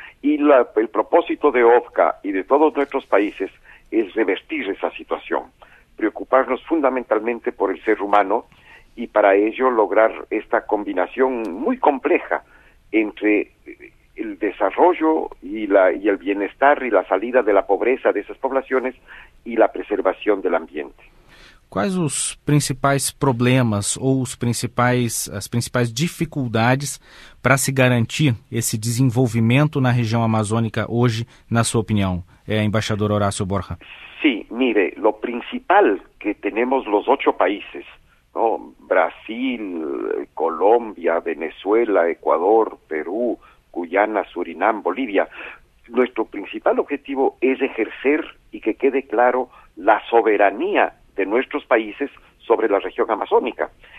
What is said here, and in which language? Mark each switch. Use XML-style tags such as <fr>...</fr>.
<es>Y el propósito de OTCA y de todos nuestros países es revertir esa situación, preocuparnos fundamentalmente por el ser humano y para ello lograr esta combinación muy compleja entre el desarrollo y el bienestar y la salida de la pobreza de esas poblaciones y la preservación del ambiente.</es> <pt>Quais os principais problemas ou as principais dificuldades para se garantir esse desenvolvimento na região amazônica hoje, na sua opinião, embaixador Horácio Borja? Sim, mire, o principal que temos os 8 países, ¿no?</pt> <es>Brasil, Colômbia, Venezuela, Equador, Peru, Guyana, Surinam, Bolívia, nuestro principal objetivo es ejercer y que quede claro la soberanía de nuestros países sobre la región amazónica.</es>